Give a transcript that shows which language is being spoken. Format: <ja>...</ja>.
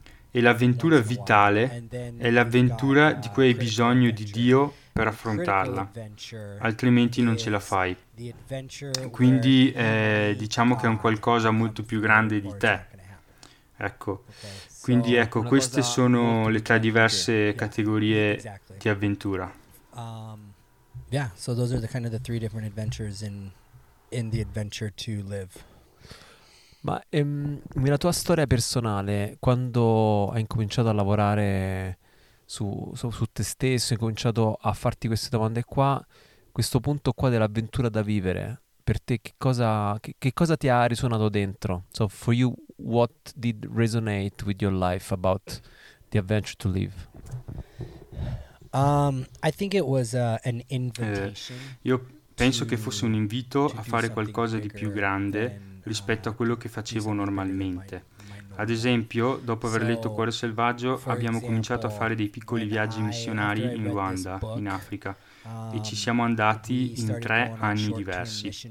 <it>E l'avventura vitale è l'avventura di cui hai bisogno di Dio per affrontarla, altrimenti non ce la fai. Quindi diciamo che è un qualcosa molto più grande di te. Ecco, quindi ecco, queste sono le tre diverse categorie di avventura.</it> <en>Yeah, so those are the kind of the three different adventures in the adventure to live.</en> <it>Ma nella tua storia personale, quando hai incominciato a lavorare su te stesso, hai cominciato a farti queste domande qua, questo punto qua dell'avventura da vivere, per te che cosa ti ha risuonato dentro?</it> <en>So for you, what did resonate with your life about the adventure to live? I think it was an invitation.</en> <it>Io penso che fosse un invito a fare qualcosa di più grande rispetto a quello che facevo normalmente. Ad esempio, dopo aver letto Cuore Selvaggio, abbiamo cominciato a fare dei piccoli viaggi missionari in Ruanda, in Africa, e ci siamo andati in tre anni diversi.</it>